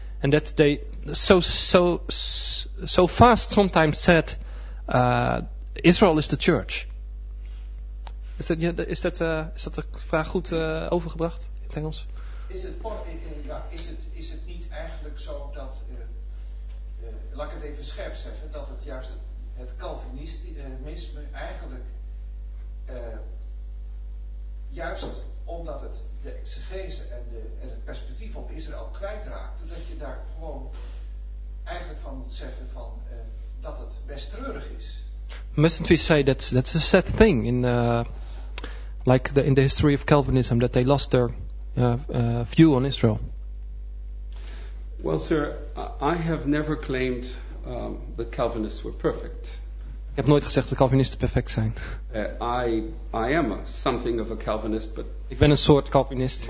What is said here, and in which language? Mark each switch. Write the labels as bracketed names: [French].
[English] And that they so fast sometimes said Israel is the church. [Dutch] Is dat de vraag goed overgebracht in het Engels? Is het niet eigenlijk zo dat laat ik het even scherp zeggen, dat het juist het Calvinisme eigenlijk juist omdat het de exegese en het perspectief op Israël kwijtraakte, dat je daar gewoon eigenlijk van moet zeggen van dat het best treurig is. [English] Mustn't we say that's a sad thing in in the history of Calvinism, that they lost their view on Israel? Well, sir, I have never claimed that Calvinists were perfect. [Dutch] Ik heb nooit gezegd dat Calvinisten perfect zijn. [English] I am something of a Calvinist, but [Dutch] ik ben een soort Calvinist.